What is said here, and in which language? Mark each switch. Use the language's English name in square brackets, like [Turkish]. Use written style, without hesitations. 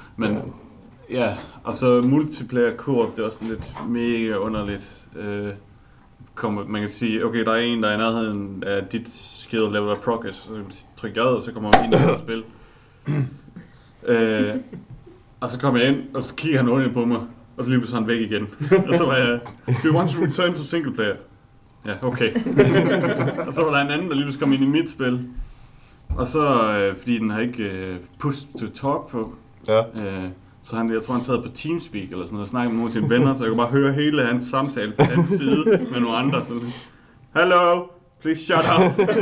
[Danish] Men ja, og så multiplayer-koop, det er også lidt mega underligt. Man kan sige, okay, der er en, der er i nærheden af dit [English] skill level of progress, [Danish] så kan man trykke jad, og så kommer man ind i det spil. Og så kommer jeg ind, og så kigger han ordentligt på mig, og så lige pludselig han væk igen. Og så var jeg, [English] do you want to return to single player? [Danish] Ja, okay. Og så var der en anden, der lige pludselig kom ind i mit spil. Og så, fordi den har ikke push to talk på. Ja. Så han, jeg tror, han sad på Teamspeak eller sådan noget, og snakkede med nogle af sine venner, så jeg kunne bare høre hele hans samtale på hans side med nogle andre. Sådan, [English] hello, please shut up.